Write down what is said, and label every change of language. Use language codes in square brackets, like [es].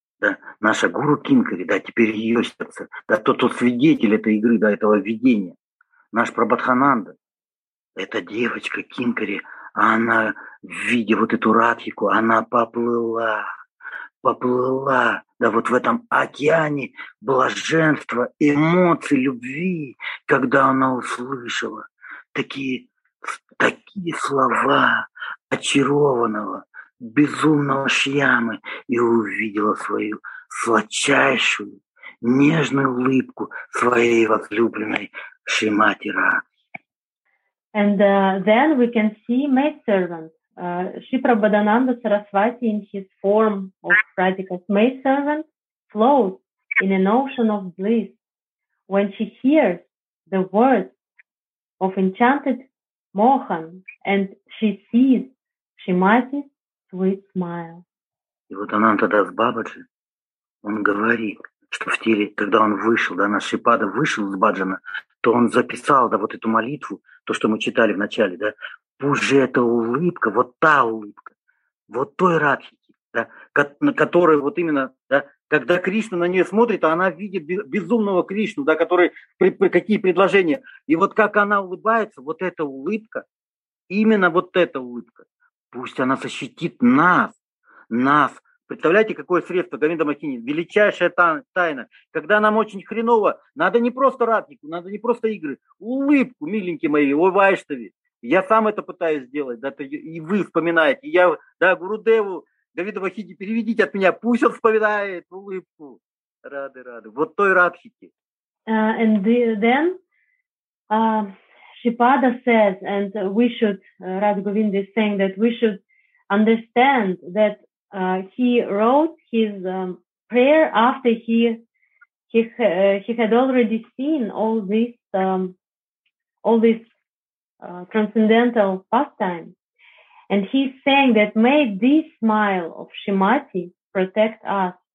[ru] Да, наша гуру Кинкари, да, теперь ее сердце, да, тот свидетель этой игры, да, этого видения, наш Прабхатхананда, эта девочка Кинкари, она, видя вот эту Радхику, она поплыла, поплыла, да, вот в этом океане блаженства, эмоций, любви, когда она услышала такие слова очарованного, безумного Шьямы и увидела свою сладчайшую, нежную улыбку своей возлюбленной Шримати Радхи. [en] And then we can see maidservant, Shri Prabhadananda Sarasvati in his form of Radhika's maidservant floats in an ocean of bliss when she hears the words of enchanted Mohan and she sees Shrimati's sweet smile. [ru] И вот Ананта Дас Бабаджи, он говорит, что в теле, когда он вышел, да, наш Шипада вышел из Баджана, то он записал, да, вот эту молитву, то, что мы читали в начале, да, пусть же эта улыбка, вот та улыбка, вот той Радхики, да, на которой вот именно, да, когда Кришна на нее смотрит, она видит безумного Кришну, да, который, какие предложения, и вот как она улыбается, вот эта улыбка, именно вот эта улыбка, пусть она защитит нас, нас. Представляете, какое средство, Говинда Махини, величайшая тайна. Когда нам очень хреново, надо не просто Радхику, надо не просто игры, улыбку, миленькие мои, о Вайштави. Я сам это пытаюсь сделать, да, и вы вспоминаете. И я, да, Гурудеву, Говинда Махини, переведите от меня, пусть он вспоминает улыбку. Рады, рады. Вот той Радхики. [en] And then Шипада says, and we should, Radha Govinda is saying that we should understand that he wrote his prayer after he had already seen all this transcendental pastime, and he's saying that may this smile of Shrimati protect us.